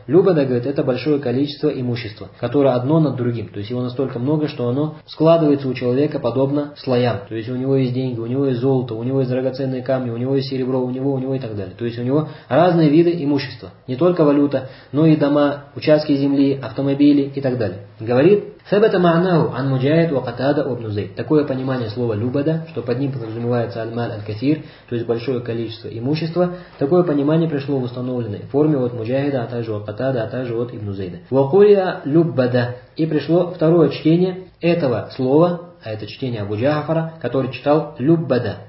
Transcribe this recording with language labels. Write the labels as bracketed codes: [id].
[ru] Любада, говорит, это большое количество имущества, которое одно над другим. То есть его настолько много, что оно складывается у человека подобно слоям. То есть у него есть деньги, у него есть золото, у него есть драгоценные камни, у него есть серебро, у него и так далее. То есть у него разные виды имущества. Не только валюта, но и дома, участки земли, автомобили и так далее. [ar] Говорит, ثبت معناه عن مجاهد وقتادة ابن زيد. [ru] Такое понимание слова любада, что под ним подразумевается аль-мал аль-касир, то есть большое количество имущества, такое понимание пришло в установленной форме от Муджахида, а также от Катада, а также от Ибн Зейда. وقولي любада. И пришло второе чтение этого слова, а это чтение Абу Джафара, который читал любада.